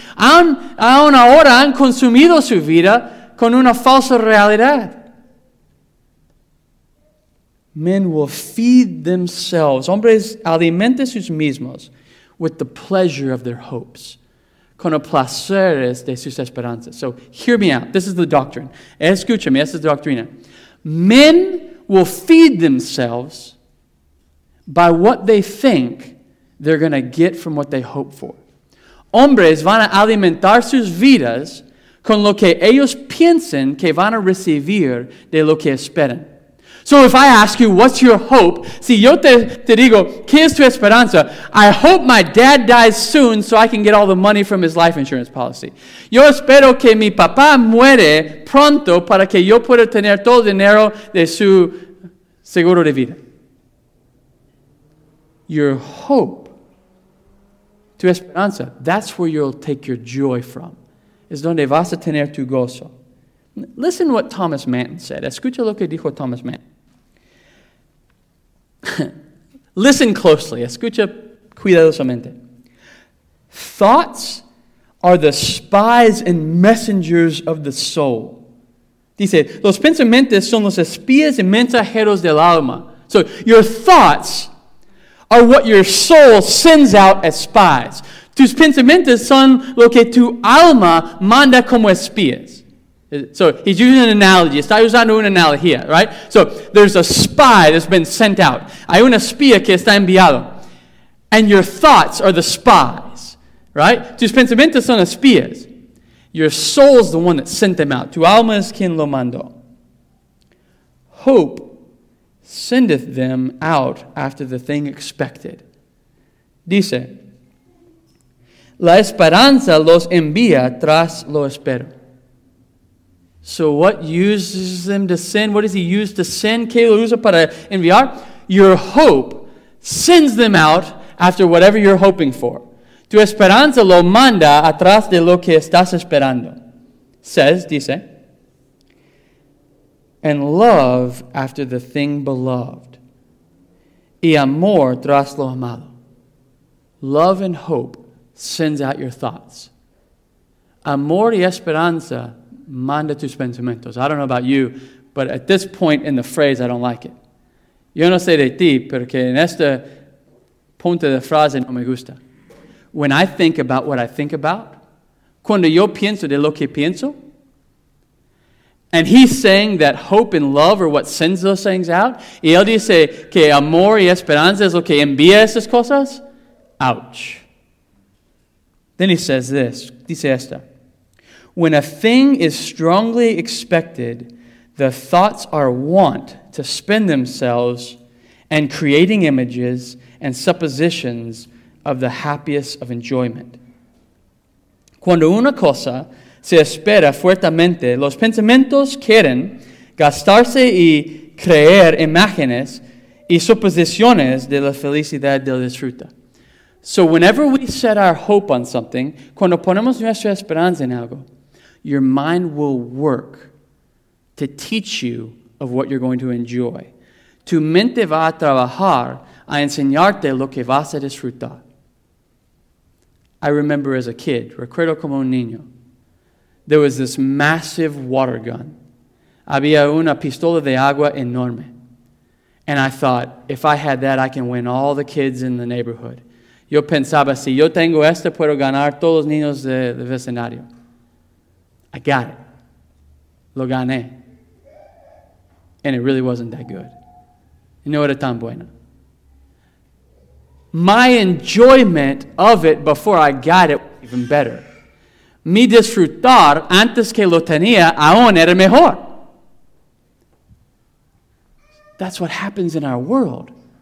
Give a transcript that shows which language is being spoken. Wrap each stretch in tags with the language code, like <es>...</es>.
<es>Aún ahora han consumido su vida con una falsa realidad.</es> <en>Men will feed themselves.</en> <es>Hombres alimenten sus mismos</es> <en>with the pleasure of their hopes.</en> <es>Con los placeres de sus esperanzas.</es> <en>So hear me out. This is the doctrine.</en> <es>Escúchame, esta es la doctrina.</es> <en>Men will feed themselves by what they think they're going to get from what they hope for.</en> <es>Hombres van a alimentar sus vidas con lo que ellos piensan que van a recibir de lo que esperan.</es> <en>So if I ask you, what's your hope?</en> <es>Si yo te digo, ¿qué es tu esperanza?</es> <en>I hope my dad dies soon so I can get all the money from his life insurance policy.</en> <es>Yo espero que mi papá muere pronto para que yo pueda tener todo el dinero de su seguro de vida.</es> <en>Your hope,</en> <es>tu esperanza,</es> <en>that's where you'll take your joy from.</en> <es>Es donde vas a tener tu gozo.</es> <en>Listen what Thomas Manton said.</en> <es>Escucha lo que dijo Thomas Manton.</es> <en>Listen closely.</en> <es>Escucha cuidadosamente.</es> <en>Thoughts are the spies and messengers of the soul.</en> <es>Dice, los pensamientos son los espías y mensajeros del alma.</es> <en>So, your thoughts are what your soul sends out as spies.</en> <es>Tus pensamientos son lo que tu alma manda como espías.</es> <en>So, he's using an analogy.</en> <es>Está usando una analogía,</es> <en>right? So, there's a spy that's been sent out.</en> <es>Hay una espía que está enviado.</es> <en>And your thoughts are the spies, right?</en> <es>Tus pensamientos son espías.</es> <en>Your soul's the one that sent them out.</en> <es>Tu alma es quien lo mandó.</es> <en>Hope sendeth them out after the thing expected.</en> <es>Dice, la esperanza los envía tras lo espero.</es> <en>So what uses them to send? What does he use to send?</en> <es>¿Qué lo usa para enviar?</es> <en>Your hope sends them out after whatever you're hoping for.</en> <es>Tu esperanza lo manda atrás de lo que estás esperando. Dice.</es> <en>And love after the thing beloved.</en> <es>Y amor tras lo amado.</es> <en>Love and hope sends out your thoughts.</en> <es>Amor y esperanza manda tus pensamientos.</es> <en>I don't know about you, but at this point in the phrase, I don't like it.</en> <es>Yo no sé de ti, porque en este punto de frase no me gusta.</es> <en>When I think about what I think about,</en> <es>cuando yo pienso de lo que pienso,</es> <en>and he's saying that hope and love are what sends those things out,</en> <es>y él dice que amor y esperanza es lo que envía esas cosas,</es> <en>ouch. Then he says this,</en> <es>dice esta,</es> <en>when a thing is strongly expected, the thoughts are wont to spend themselves and creating images and suppositions of the happiest of enjoyment.</en> <es>Cuando una cosa se espera fuertemente, los pensamientos quieren gastarse y creer imágenes y suposiciones de la felicidad del disfrute.</es> <en>So whenever we set our hope on something,</en> <es>cuando ponemos nuestra esperanza en algo,</es> <en>your mind will work to teach you of what you're going to enjoy.</en> <es>Tu mente va a trabajar a enseñarte lo que vas a disfrutar.</es> <en>I remember as a kid,</en> <es>recuerdo como un niño,</es> <en>there was this massive water gun.</en> <es>Había una pistola de agua enorme.</es> <en>And I thought, if I had that, I can win all the kids in the neighborhood.</en> <es>Yo pensaba, si yo tengo esto, puedo ganar todos los niños de vecindario.</es> <en>I got it.</en> <es>Lo gané.</es> <en>And it really wasn't that good.</en> <es>No era tan bueno.</es> <en>My enjoyment of it before I got it was even better.</en> <es>Mi disfrutar antes que lo tenía aún era mejor.</es> <en>That's what happens in our world.</en>